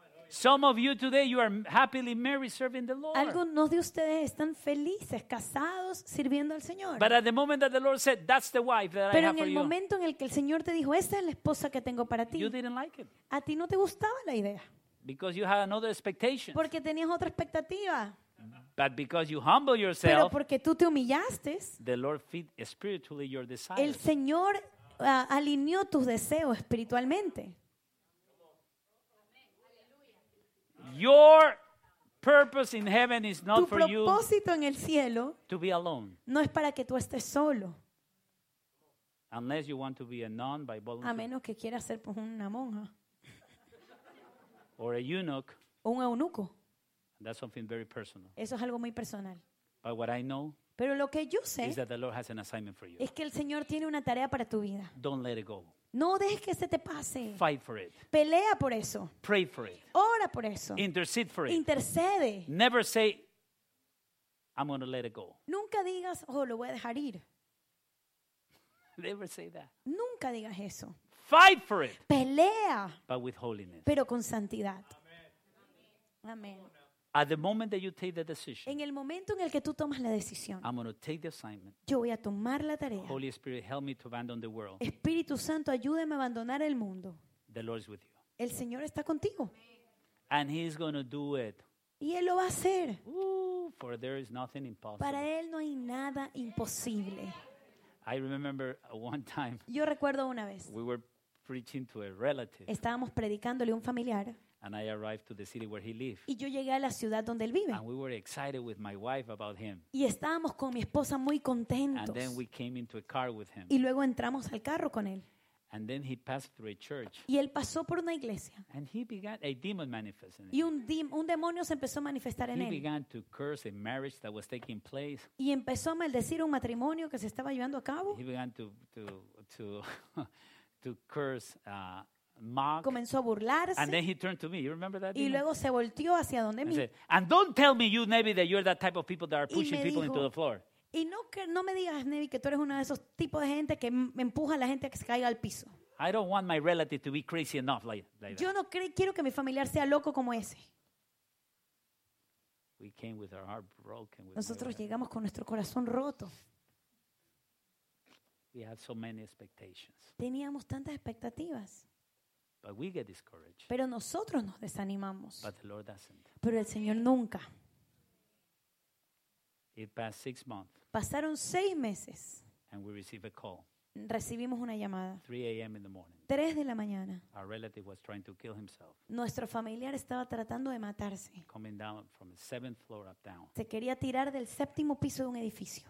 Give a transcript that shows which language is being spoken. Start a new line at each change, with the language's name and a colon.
English: Some of you today you are happily married serving the Lord.
Spanish: Algunos de ustedes están felices casados sirviendo al Señor.
English: But at the moment that the Lord said that's the wife that I have for you.
Spanish: Pero en el momento en el que el Señor te dijo esta es la esposa que tengo para ti.
English: You didn't like it.
Spanish: A ti no te gustaba la idea.
English: Because you had another expectation.
Spanish: Porque tenías otra expectativa.
English: But because you humble yourself.
Spanish: Pero porque tú te humillaste.
English: The Lord fit spiritually your desires.
Spanish: El Señor alineó tus deseos espiritualmente.
English: Your purpose in heaven is not for you.
Spanish: Tu propósito en el cielo
English: to be alone.
Spanish: No es para que tú estés solo.
English: Unless you want to be a nun by voluntary.
Spanish: A menos que quieras ser pues una monja.
English: Or a eunuch.
Spanish: Un eunuco.
English: That's something very personal.
Spanish: Eso es algo muy personal.
English: But what I know.
Spanish: Pero lo que yo sé
English: is that the Lord has an assignment for you.
Spanish: Es que el Señor tiene una tarea para tu vida.
English: Don't let it go.
Spanish: No dejes que se te pase.
English: Fight for it.
Spanish: Pelea por eso.
English: Pray for it.
Spanish: Ora por eso.
English: Intercede for it.
Spanish: Intercede.
English: Never say, I'm going to let it go.
Spanish: Nunca digas, oh, lo voy a dejar ir.
English: Never say that.
Spanish: Nunca digas eso.
English: Fight for it.
Spanish: Pelea.
English: But with holiness.
Spanish: Pero con santidad. Amén. Amén.
English: At the moment that you take the decision,
Spanish: en el momento en el que tú tomas la decisión,
English: I'm going to take the assignment.
Spanish: Yo voy a tomar la tarea.
English: Holy Spirit, help me to abandon the world.
Spanish: Espíritu Santo, ayúdame a abandonar el mundo.
English: The Lord is with you.
Spanish: El Señor está contigo.
English: And He's going to do it.
Spanish: Y Él lo va a hacer.
English: For there is nothing impossible.
Spanish: Para Él no hay nada imposible.
English: I remember one time.
Spanish: Yo recuerdo una vez.
English: We were preaching to a relative.
Spanish: Estábamos predicándole a un familiar.
English: And I arrived to the city where he lived.
Spanish: Y yo llegué a la ciudad donde él vive.
English: And we were excited with my wife about him.
Spanish: Y estábamos con mi esposa muy contentos.
English: And then we came into a car with him.
Spanish: Y luego entramos al carro con él.
English: And then he passed through a church.
Spanish: Y él pasó por una iglesia.
English: And he began a demon manifesting.
Spanish: Y un demonio se empezó a manifestar en él.
English: He began to curse a marriage that was taking place.
Spanish: Y empezó a maldecir un matrimonio que se estaba llevando a cabo.
English: He began to curse Mark.
Spanish: Comenzó a burlarse.
English: And then he turned to me. You remember that?
Spanish: Y luego se volteó hacia donde
English: and
Spanish: mí.
English: Said, and don't tell me you Nevi that you're that type of people that are pushing people
Spanish: dijo,
English: into the floor.
Spanish: Y no me digas, Nevi, que tú eres uno de esos tipos de gente que empuja a la gente a que se caiga al piso.
English: I don't want my relative to be crazy enough like that.
Spanish: Yo no quiero que mi familiar sea loco como ese.
English: We came with our heart broken.
Spanish: Nosotros llegamos con nuestro corazón roto.
English: We had so many expectations.
Spanish: Teníamos tantas expectativas.
English: But we get discouraged.
Spanish: Pero nosotros nos desanimamos.
English: But the Lord doesn't.
Spanish: Pero el Señor nunca.
English: It passed 6 months.
Spanish: Pasaron 6 meses.
English: And we received a call.
Spanish: Recibimos una llamada.
English: 3 a.m. in the morning.
Spanish: 3 de la mañana.
English: Our relative was trying to kill himself.
Spanish: Nuestro familiar estaba tratando de matarse.
English: Coming down from the 7th floor up down.
Spanish: Se quería tirar del séptimo piso de un edificio.